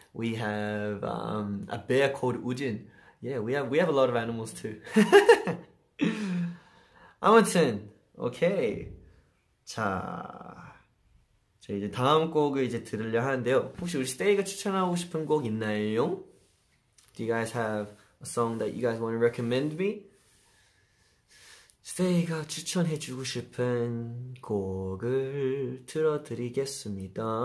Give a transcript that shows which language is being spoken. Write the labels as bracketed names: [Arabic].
[English] We have a bear called Ujin. Yeah, we have a lot of animals too. [Korean] 아무튼, okay. 자, 저 이제 다음 곡을 이제 들으려 하는데요. 혹시 우리 스테이가 추천하고 싶은 곡 있나요? [English] Do you guys have a song that you guys want to recommend me? [Korean] 스테이가 추천해주고 싶은 곡을 틀어드리겠습니다.